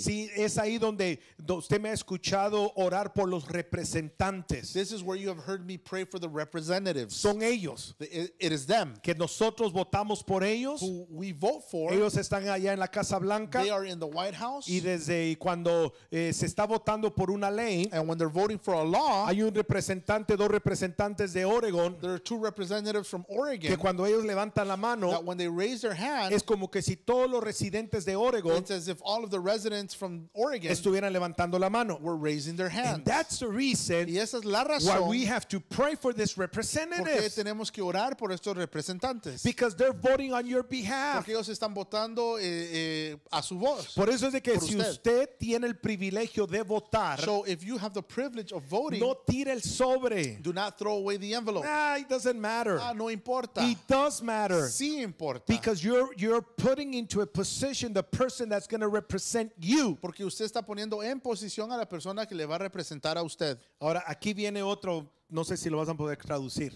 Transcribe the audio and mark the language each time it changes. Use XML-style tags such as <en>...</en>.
<es>Sí, es ahí donde usted me ha escuchado orar por los representantes.</es> <en>This is where you have heard me pray for the representatives.</en> <es>Son ellos.</es> <en>It is them.</en> <es>Que nosotros votamos por ellos.</es> <en>Who we vote for.</en> <es>Ellos están allá en la Casa Blanca.</es> <en>They are in the White House.</en> <es>Y desde cuando se está votando por una ley,</es> <en>and when they're voting for a law,</en> <es>hay un representante, dos representantes de otro. Oregon.</es> <en>There are two representatives from Oregon.</en> <es>Que cuando ellos levantan la mano,</es> <en>that when they raise their hand,</en> <es>es como que si todos los residentes de Oregon,</es> <en>it's as if all of the residents from Oregon,</en> <es>estuvieran levantando la mano,</es> <en>were raising their hands. And that's the reason.</en> <es>Y esa es la razón</es> <en>why we have to pray for this representative.</en> <es>Porque tenemos que orar por estos representantes.</es> <en>Because they're voting on your behalf.</en> <es>Porque ellos están votando a su voz. Por eso es de que si usted tiene el privilegio de votar,</es> <en>so if you have the privilege of voting,</en> <es>no tire el sobre.</es> <en>Do not throw away the envelope. Nah, it doesn't matter.</en> <es>Ah, no importa.</es> <en>It does matter.</en> <es>Sí importa.</es> <en>Because you're putting into a position the person that's going to represent you.</en> <es>Porque usted está poniendo en posición a la persona que le va a representar a usted. Ahora aquí viene otro. No sé si lo vas a poder traducir.</es>